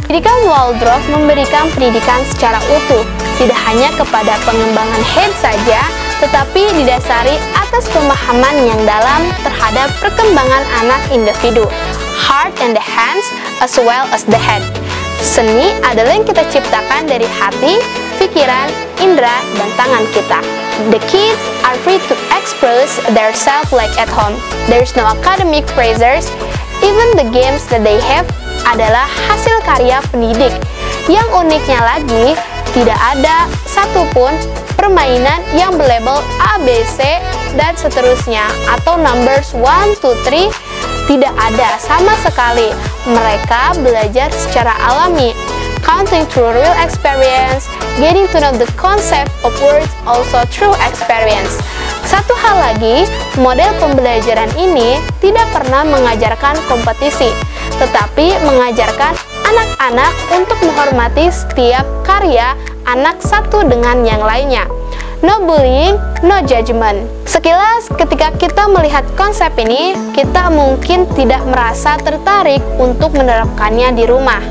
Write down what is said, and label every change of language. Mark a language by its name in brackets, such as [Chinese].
[Indonesian] Pendidikan Waldorf memberikan pendidikan secara utuh, tidak hanya kepada pengembangan head saja, tetapi didasari atas pemahaman yang dalam terhadap perkembangan anak individu, [English] heart and the hands as well as the head. [Indonesian] Seni adalah yang kita ciptakan dari hati, pikiran, indera, dan tangan kita. [English] The kids are free to express their self like at home. There is no academic pressures. Even the games that they have [Indonesian] adalah hasil karya pendidik. Yang uniknya lagi, tidak ada satupun permainan yang berlabel ABC dan seterusnya atau numbers 1, 2, 3, tidak ada sama sekali. Mereka belajar secara alami, [English] counting through real experience, getting to know the concept of words also through experience. [Indonesian] Satu hal lagi, model pembelajaran ini tidak pernah mengajarkan kompetisi, tetapi mengajarkan anak-anak untuk menghormati setiap karya anak satu dengan yang lainnya. [English] No bullying, no judgment. [Indonesian] Sekilas ketika kita melihat konsep ini, kita mungkin tidak merasa tertarik untuk menerapkannya di rumah.